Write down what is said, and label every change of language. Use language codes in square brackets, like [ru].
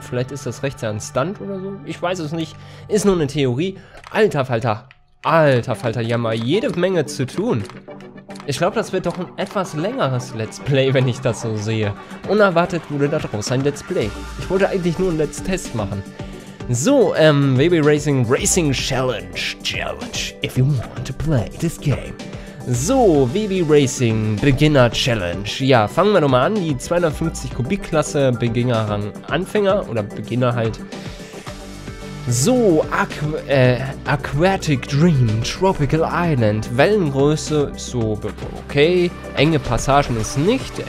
[de] Vielleicht ist das rechts ja ein Stunt oder so. Ich weiß es nicht. Ist nur eine Theorie. Alter Falter, ja mal jede Menge zu tun. Ich glaube, das wird doch ein etwas längeres Let's Play, wenn ich das so sehe. Unerwartet wurde daraus ein Let's Play. Ich wollte eigentlich nur ein Let's Test machen. So, Baby Racing, Racing Challenge. [en] Challenge, if you want to play this game. [de] So, Baby Racing Beginner Challenge. Ja, fangen wir nochmal an. Die 250 Kubikklasse Beginner Rang Anfänger oder Beginner halt. So, Aquatic Dream Tropical Island. Wellengröße ist so okay. Enge Passagen ist nicht.